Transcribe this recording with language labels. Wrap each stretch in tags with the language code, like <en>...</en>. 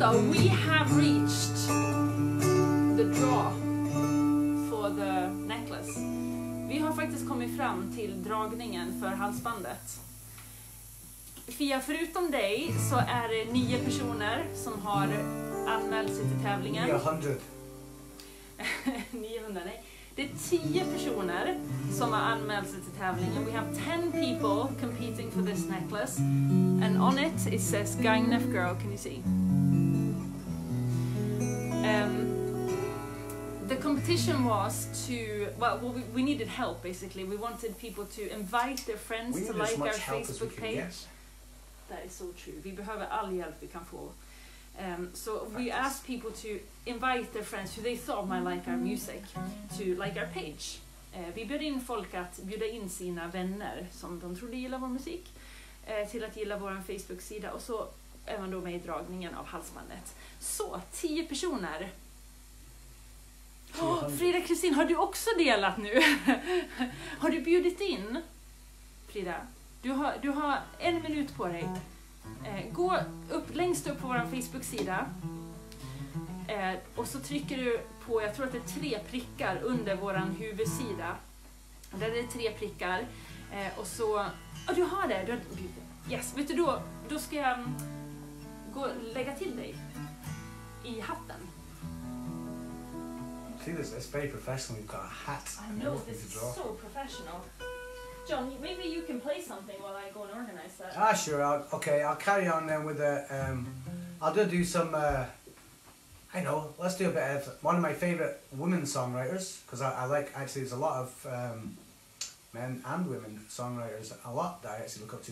<en>though, we have reached the draw for the necklace.</en> <sv>Vi har faktiskt kommit fram till dragningen för halsbandet. Fia, förutom dig så är det 9 personer som har anmält sig till tävlingen. 900, nej. Det är 10 personer som har anmält sig till tävlingen.</sv> <en>We have 10 people competing for this necklace. And on it, it says Gagnef Girl, can you see? The competition was to, well, we needed help, basically. We wanted people to invite their friends to like our Facebook page. That is so true.</en> <sv>Vi behöver all hjälp vi kan få.</sv> <en>So we asked people to invite their friends who they thought might like our music to like our page.</en> <sv>Vi bjöd in folk att bjuda in sina vänner som de trodde gillar vår musik till att gilla vår Facebook-sida och så även då med dragningen av halsbandet. Så, 10 personer. Oh, Frida, Kristin, har du också delat nu? Har du bjudit in? Frida, du har 1 minut på dig. Gå upp längst upp på vår Facebook-sida och så trycker du på, jag tror att det är 3 prickar under vår huvudsida. Där är det 3 prickar och så, ja, du har det, yes, vet du, då ska jag gå lägga till dig i hatten.</sv> <en>See, this very professional, you've got a hat. I know, this is so professional. John, maybe you can play something while I go and organize that. Ah, sure. I'll carry on then with the. I'll do some. I know. Let's do a bit of one of my favorite women songwriters, because I like, actually, there's a lot of men and women songwriters a lot that I actually look up to.</en>